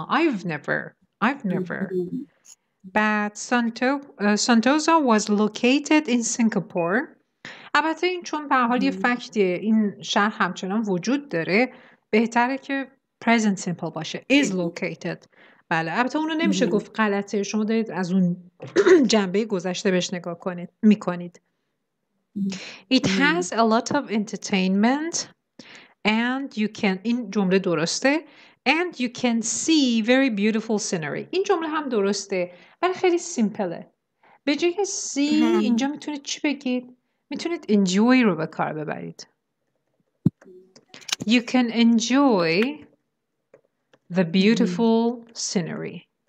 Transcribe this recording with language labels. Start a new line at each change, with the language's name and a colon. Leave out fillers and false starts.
English: I've never. بعد Sentosa was located in Singapore.
Persian: البته این چون به حال یه فکتیه، این شهر همچنان وجود داره، بهتره که present simple باشه.
English: Is located.
Persian: بله، البته اونو نمیشه گفت غلطه، شما دارید از اون جنبه گذشته بهش نگاه کنید، میکنید.
English: It has a lot of entertainment and you can,
Persian: این جمله درسته،
English: and you can see very beautiful scenery.
Persian: این جمله هم درسته ولی خیلی سیمپله. به جای see اینجا میتونید چی بگید؟ میتونید enjoy رو به کار ببرید.
English: You can enjoy the beautiful scenery.